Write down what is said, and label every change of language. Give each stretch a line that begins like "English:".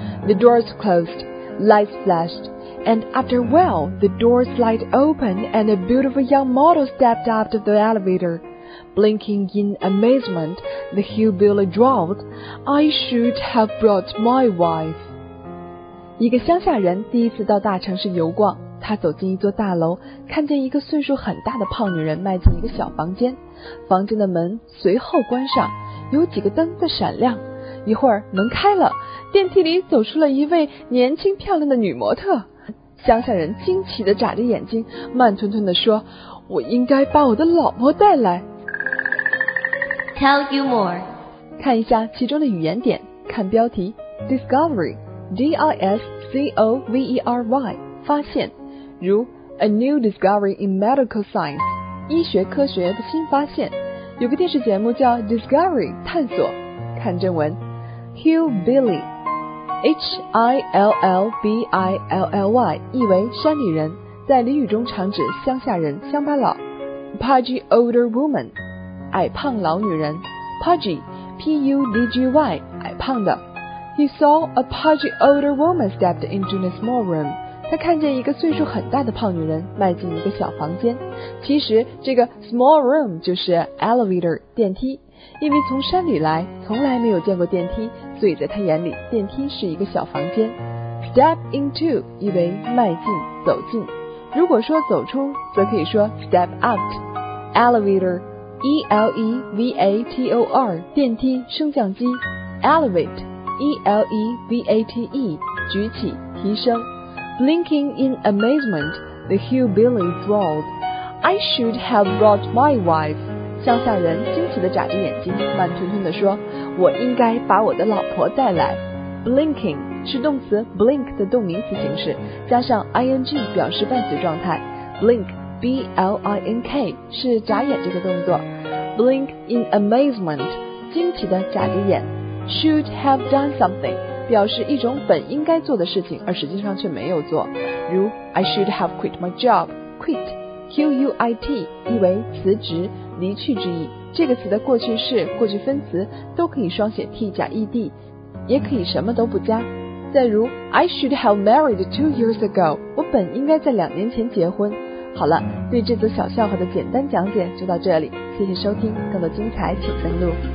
English: The doors closed, lights flashed, and after a while, the door slid open and a beautiful young model stepped out of the elevator. Blinking in amazement, the hillbilly drawled, I should have brought my wife.
Chinese: 一个乡下人第一次到大城市游逛，他走进一座大楼，看见一个岁数很大的胖女人迈进一个小房间，房间的门随后关上，有几个灯在闪亮，一会儿门开了，电梯里走出了一位年轻漂亮的女模特。乡下人惊奇地眨着眼睛，慢吞吞地说，我应该把我的老婆带来。
English: Tell you more，
Chinese: 看一下其中的语言点，看标题 Discovery，D-I-S-C-O-V-E-R-Y 发现，如
English: A new discovery in medical science，
Chinese: 医学科学的新发现。有个电视节目叫 Discovery 探索，看正文。 Hillbilly， H-I-L-L-B-I-L-L-Y 意为山里人，在俚语中常指乡下人、乡巴佬。 Pudgy older woman， 矮胖老女人。 Pudgy， P-U-D-G-Y， 矮胖的。
English: He saw a pudgy older woman stepped into the small room.
Chinese: 他看见一个岁数很大的胖女人迈进一个小房间。其实这个 small room 就是 elevator 电梯，因为从山里来，从来没有见过电梯，所以在他眼里，电梯是一个小房间。 Step into 意为迈进、走进。如果说走出，则可以说 step out. Elevator, E L E V A T O R， 电梯、升降机。
English: Elevate.
Chinese: E-L-E-V-A-T-E 举起提升。
English: Blinking in amazement, the hillbilly drawled, I should have brought my wife.
Chinese: 乡下人惊奇地眨着眼睛，慢吞吞地说，我应该把我的老婆带来。 Blinking 是动词 blink 的动名词形式，加上 ing 表示伴随状态。 Blink B-L-I-N-K 是眨眼这个动作。 Blink in amazement 惊奇地眨着眼。 Should have done something 表示一种本应该做的事情，而实际上却没有做。如
English: I should have quit my job.
Chinese: Quit, Q-U-I-T 意为辞职、离去之意。这个词的过去式、过去分词都可以双写 T 加 ED， 也可以什么都不加。再如
English: I should have married 2 years ago，
Chinese: 我本应该在2年前结婚。好了，对这则小笑话的简单讲解就到这里，谢谢收听，更多精彩请登录